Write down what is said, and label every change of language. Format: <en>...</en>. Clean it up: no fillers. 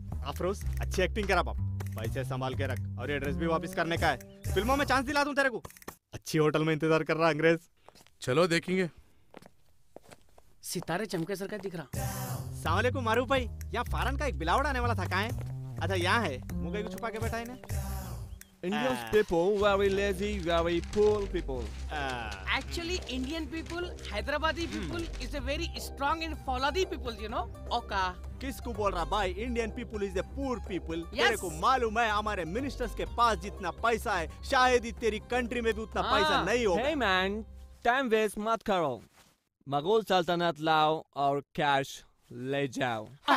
<hi>अफरोज अच्छी एक्टिंग करा बाप, पैसे संभाल के रख और ये ड्रेस भी वापस करने का है। फिल्मों में चांस दिला दूं तेरे को। अच्छी होटल में इंतजार कर रहा अंग्रेज। चलो देखेंगे। सितारे चमके सर का दिख रहा। सावले को मारू भाई, यहाँ फारन का एक बिलावड़ आने वाला था। कहाँ है? अच्छा यहाँ है, मुंह को छुपा के बैठा है।</hi> <en>Indian people very lazy, very poor people. Actually, Indian people, Hyderabadi people is a very strong and faladi people, you know. Oka.</en> <hi>किसको बोल रहा भाई?</hi> <en>Indian people is a poor people. Yes.</en> <hi>तेरे को मालूम है हमारे ministers के पास जितना पैसा है, शायद ही तेरी country में भी उतना पैसा नहीं होगा।</hi> <en>Hey man, time waste</en> <hi>मत करो। मगोल सल्तनत लाओ और cash ले जाओ।</hi>